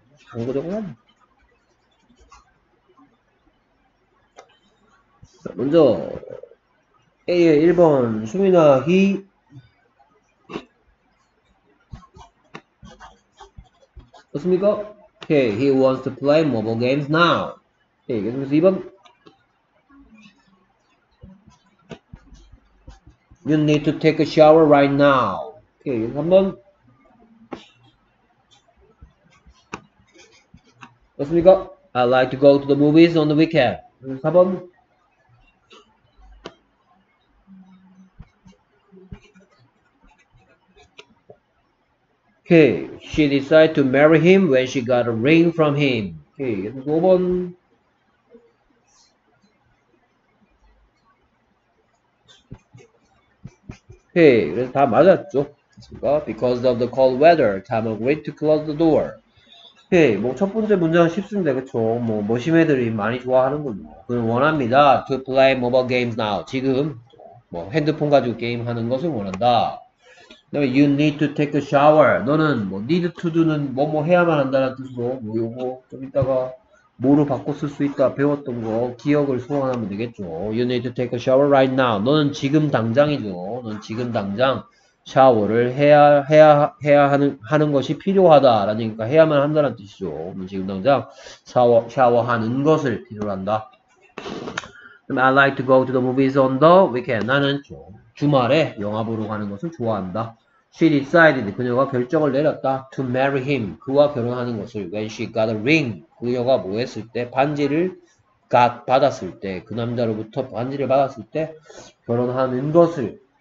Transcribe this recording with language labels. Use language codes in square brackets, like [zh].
[ko] 참고적으로 먼저 A의 1번 수미나 히 어떻습니까? [en] Okay, he wants to play mobile games now. Okay, [ko] 2번 [en] You need to take a shower right now. [ko] Okay, 3번 맞습니까? [en] I like to go to the movies on the weekend. [ko] 4번. [en] 오케이. She decided to marry him when she got a ring from him. [ko] 오케이. 5번. 오케이. 그래서 다 맞았죠. 맞습니까? [en] Because of the cold weather, Tom agreed to close the door. [ko] 오케이, 뭐첫 번째 문장은 쉽습니다. 그쵸? 뭐 머신 애들이 많이 좋아하는 걸로 그는 원합니다. [en] To play mobile games now. [ko] 지금 뭐 핸드폰 가지고 게임하는 것을 원한다. 그다음에 [en] you need to take a shower. [ko] 너는 뭐 [en] need to do [ko] 는 뭐뭐 해야만 한다는 뜻으로 뭐 요거 좀 이따가 뭐로 바꿔 쓸수 있다 배웠던 거 기억을 소환하면 되겠죠. [en] You need to take a shower right now. [ko] 너는 지금 당장이죠. 너는 지금 당장 샤워를 해야 하는 것이 필요하다라니까 해야만 한다는 뜻이죠. 지금 당장 샤워하는 것을 필요로 한다. [en] I like to go to the movies on the weekend. [ko] 나는 주말에 영화 보러 가는 것을 좋아한다. [en] She decided, [ko] 그녀가 결정을 내렸다. [en] To marry him, [ko] 그와 결혼하는 것을. [en] When she got a ring, [ko] 그녀가 뭐 했을 때? 반지를 got 받았을 때, 그 남자로부터 반지를 받았을 때, 결혼하는 것을.